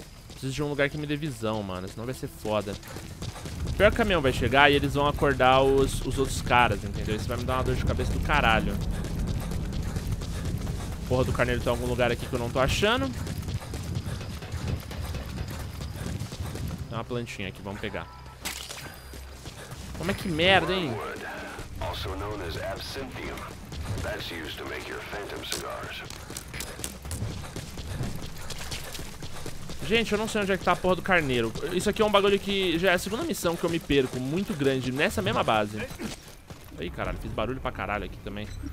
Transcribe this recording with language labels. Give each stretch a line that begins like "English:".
Portuguese: Preciso de um lugar que me dê visão, mano. Senão vai ser foda. O pior caminhão vai chegar e eles vão acordar os outros caras, entendeu? Isso vai me dar uma dor de cabeça do caralho. Porra do carneiro tem algum lugar aqui que eu não tô achando. Tem uma plantinha aqui, vamos pegar. Como é que merda, hein?
English: Wormwood, also known as absinthium. That's used to make your phantom cigars.
Portuguese: Gente, eu não sei onde é que tá a porra do carneiro. Isso aqui é um bagulho que já é a segunda missão que eu me perco, muito grande, nessa mesma base. Ih, caralho, fiz barulho pra caralho aqui também.